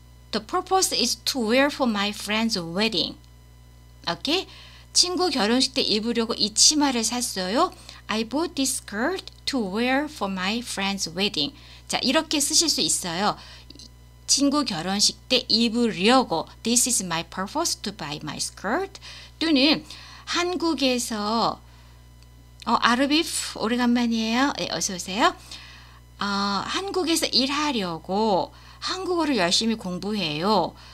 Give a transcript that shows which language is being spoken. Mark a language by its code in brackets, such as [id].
[en] The purpose is to wear for my friend's wedding. Okay? [ko] 친구 결혼식 때 입으려고 이 치마를 샀어요. [en] I bought this skirt to wear for my friend's wedding. [ko] 자, 이렇게 쓰실 수 있어요. 친구 결혼식 때 입으려고 [en] This is my purpose to buy my skirt. [ko] 또는 한국에서 아르비프 오래간만이에요. 네, 어서 오세요. 한국에서 일하려고 한국어를 열심히 공부해요.